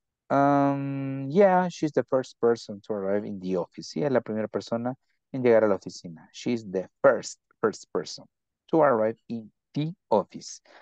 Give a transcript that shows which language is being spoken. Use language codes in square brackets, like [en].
[en] Yeah, she's the first person to arrive in the office. [es] Sí, es la primera persona en llegar a la oficina. [en] She's the first person to arrive in the office.